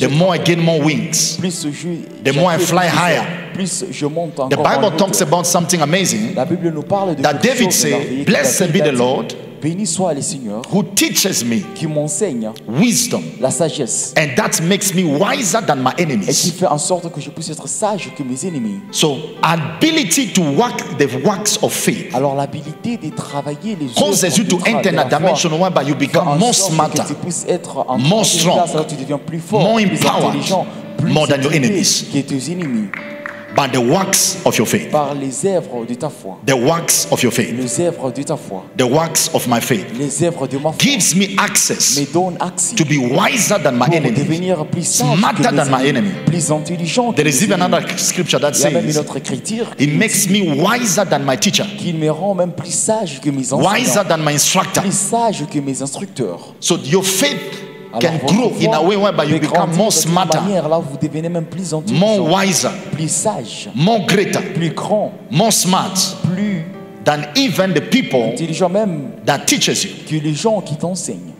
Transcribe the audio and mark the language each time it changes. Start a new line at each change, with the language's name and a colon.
English: the more I gain more wings.
French: Plus je
English: the more I fly higher.
French: Plus je monte encore.
English: The Bible talks about something amazing.
French: La Bible nous parle de
English: that David said, "Blessed be the Lord,
French: béni soit le Seigneur,
English: who teaches me,
French: qui m'enseigne,
English: wisdom,
French: la sagesse,
English: and that makes me wiser than my enemies."
French: Et qui fait en sorte que je puisse être sage que mes ennemis.
English: So, ability to work the works of faith.
French: Alors l'habilité de travailler les
English: causes you to enter a dimension where you become more smarter,
French: que tu puisses être
English: more strong,
French: alors tu deviens plus fort,
English: more empowered,
French: plus intelligent, plus
English: more than your enemies.
French: Que tes ennemis.
English: By the works of your faith.
French: Par les œuvres de ta foi.
English: The works of your faith.
French: Les œuvres de ta foi.
English: The works of my faith.
French: Les œuvres de ma foi.
English: Gives me access.
French: Me donne accès.
English: To be wiser than my enemy.
French: Devenir plus sage.
English: Smarter than my enemy.
French: Plus intelligent.
English: There is even another scripture that says.
French: Il y a même une autre écriture.
English: It makes me wiser than my teacher.
French: Qui me rend même plus sage que mes enseignants.
English: Wiser than my instructor.
French: Plus sage que mes instructeurs.
English: So your faith.
French: Alors
English: can grow in a way whereby you become more smarter,
French: manière, là, vous devenez même plus
English: intelligent, more wiser,
French: plus sage,
English: more greater,
French: plus grand,
English: more smart,
French: plus
English: than even the people
French: intelligent même
English: that teaches you.
French: Que les gens qui t'enseignent.